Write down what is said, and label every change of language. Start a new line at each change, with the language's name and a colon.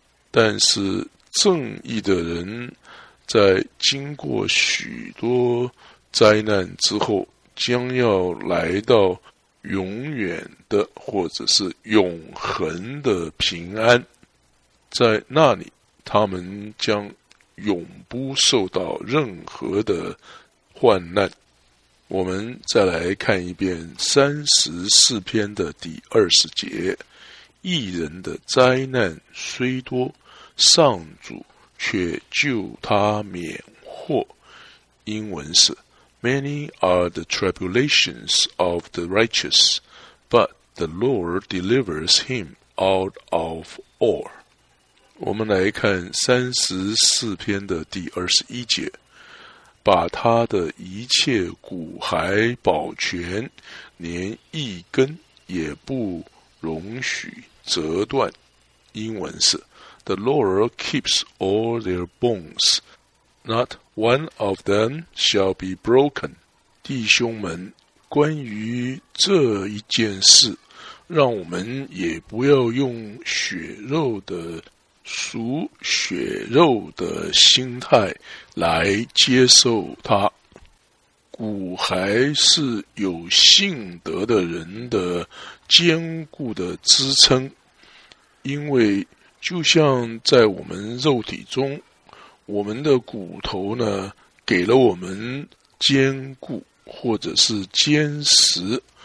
Chinese: 但是正义的人在经过许多灾难之后，将要来到永远的或者是永恒的平安，在那里他们将永不受到任何的患难。我们再来看一遍34篇的第20节，一人的灾难虽多，上主却救他免祸。
English: 英文是 Many are the tribulations of the righteous, but the Lord delivers him out of all。
Chinese: 我们来看34篇的第21节，把他的一切骨骸保全，连一根也不容许折断。
English: 英文是 The Lord keeps all their bones, not one of them shall be broken。
Chinese: 弟兄们，关于这一件事，让我们也不要用属血肉的心态来接受它。骨骸是有信德的人的坚固的支撑，因为就像在我们肉体中，我们的骨头呢，给了我们坚固或者是坚实。